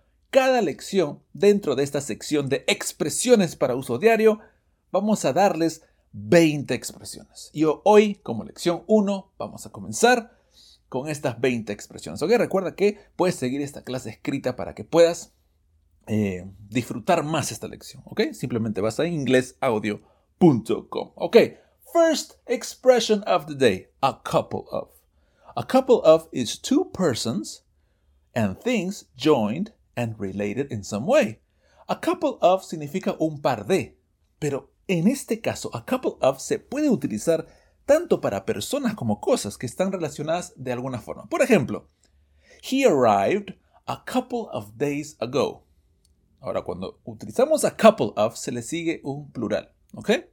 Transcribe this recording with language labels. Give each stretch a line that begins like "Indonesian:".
Spanish: Cada lección dentro de esta sección de expresiones para uso diario, vamos a darles 20 expresiones. Y hoy, como lección 1, vamos a comenzar con estas 20 expresiones. Ok, recuerda que puedes seguir esta clase escrita para que puedas disfrutar más esta lección, ¿ok? Simplemente vas a inglesaudio.com.
English: Ok, first expression of the day, a couple of. A couple of is two persons and things joined and related in some way.
Spanish: A couple of significa un par de, pero en este caso, a couple of se puede utilizar tanto para personas como cosas que están relacionadas de alguna forma. Por ejemplo,
English: he arrived a couple of days ago.
Spanish: Ahora, cuando utilizamos a couple of, se le sigue un plural, ¿ok?